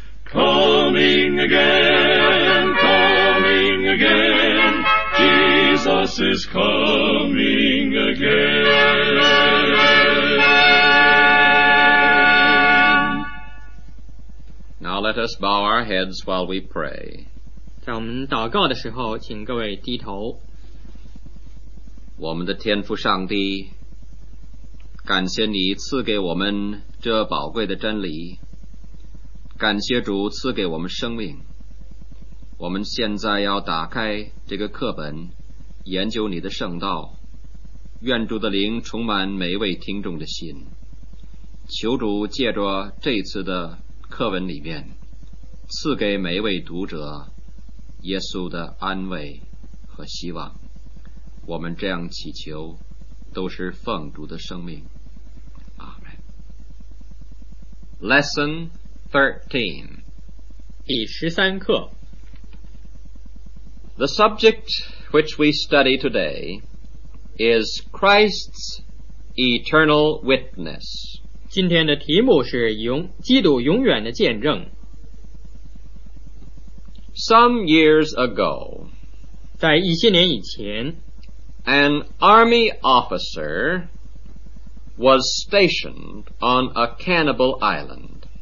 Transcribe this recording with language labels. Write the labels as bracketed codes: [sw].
[en] Coming again, coming again, Jesus is coming again. Now let us bow our heads while we pray. [zh] 在我们祷告的时候，请各位低头。我们的天父上帝，感谢你赐给我们这宝贵的真理，感谢主赐给我们生命。我们现在要打开这个课本，研究你的圣道。愿主的灵充满每一位听众的心，求主借着这次的课文里面赐给每一位读者耶稣的安慰和希望。我们这样祈求，都是奉主的生命。阿们。 [en] Lesson 13, [zh] 第十三课。 [en] The subject which we study today is Christ's eternal witness. [zh] 今天的题目是基督永远的见证。 [en] Some years ago, [zh] 在一些年以前, [en] an army officer was stationed on a cannibal island.